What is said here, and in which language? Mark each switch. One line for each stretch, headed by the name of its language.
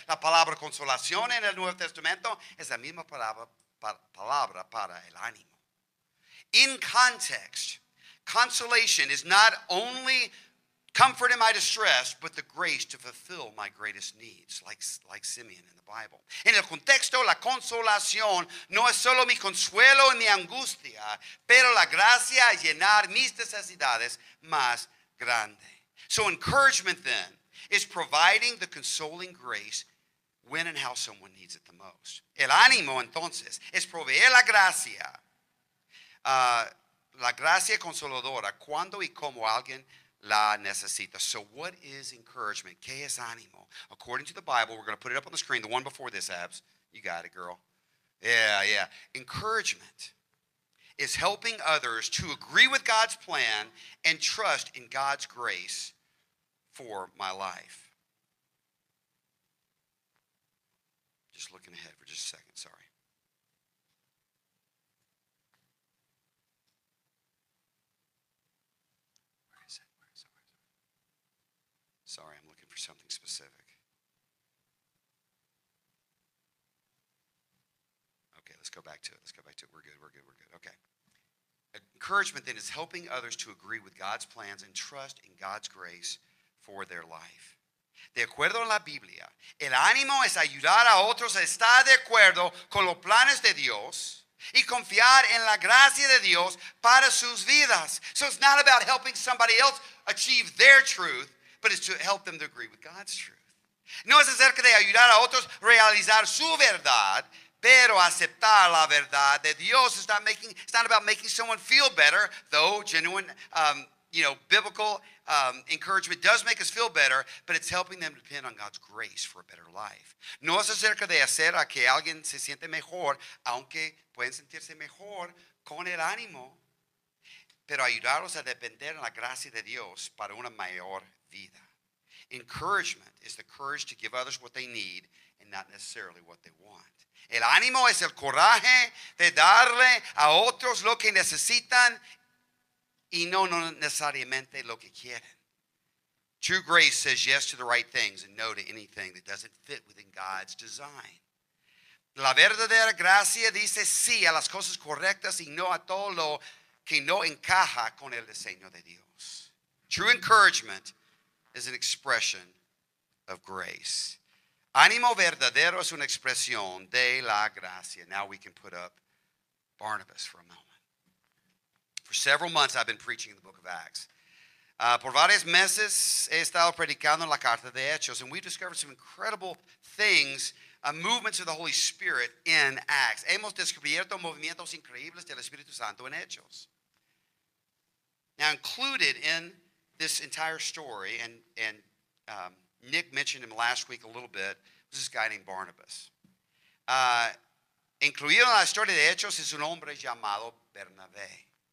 Spanish: La palabra consolación en el Nuevo Testamento es la misma palabra para el ánimo.
English: In context, consolation is not only comfort in my distress, but the grace to fulfill my greatest needs, like Simeon in the Bible.
Spanish: En el contexto, la consolación no es solo mi consuelo y mi angustia, pero la gracia a llenar mis necesidades más grande.
English: So encouragement then is providing the consoling grace when and how someone needs it the most.
Spanish: El ánimo entonces es proveer la gracia consoladora cuando y como alguien la necesita.
English: So what is encouragement?
Spanish: ¿Qué es ánimo?
English: According to the Bible, we're going to put it up on the screen, the one before this, Abs. You got it, girl. Yeah. Encouragement is helping others to agree with God's plan and trust in God's grace for my life. Just looking ahead for just a second, sorry. Where is it? Sorry, I'm looking for something specific. Okay, let's go back to it. We're good. Okay. Encouragement then is helping others to agree with God's plans and trust in God's grace for their life.
Spanish: De acuerdo a la Biblia, el ánimo es ayudar a otros a estar de acuerdo con los planes de Dios y confiar en la gracia de Dios para sus vidas.
English: So it's not about helping somebody else achieve their truth, but it's to help them to agree with God's truth.
Spanish: No es acerca de ayudar a otros a realizar su verdad, pero aceptar la verdad de Dios.
English: It's not about making someone feel better, though genuine, biblical encouragement does make us feel better, but it's helping them depend on God's grace for a better life.
Spanish: No es acerca de hacer a que alguien se siente mejor, aunque pueden sentirse mejor con el ánimo, pero ayudarlos a depender en la gracia de Dios para una mayor vida.
English: Encouragement is the courage to give others what they need and not necessarily what they want.
Spanish: El ánimo es el coraje de darle a otros lo que necesitan y no necesariamente lo que quieren.
English: True grace says yes to the right things and no to anything that doesn't fit within God's design.
Spanish: La verdadera gracia dice sí a las cosas correctas y no a todo lo que no encaja con el diseño de Dios.
English: True encouragement is an expression of grace.
Spanish: Ánimo verdadero es una expresión de la gracia.
English: Now we can put up Barnabas for a moment. For several months I've been preaching in the book of Acts.
Spanish: Por varios meses he estado predicando en la carta de Hechos,
English: and we've discovered some incredible things, movements of the Holy Spirit in Acts.
Spanish: Hemos descubierto movimientos increíbles del Espíritu Santo en Hechos.
English: Now included in this entire story and Nick mentioned him last week a little bit. This is a guy named Barnabas.
Spanish: Incluido en la historia de Hechos es un hombre llamado Bernabé.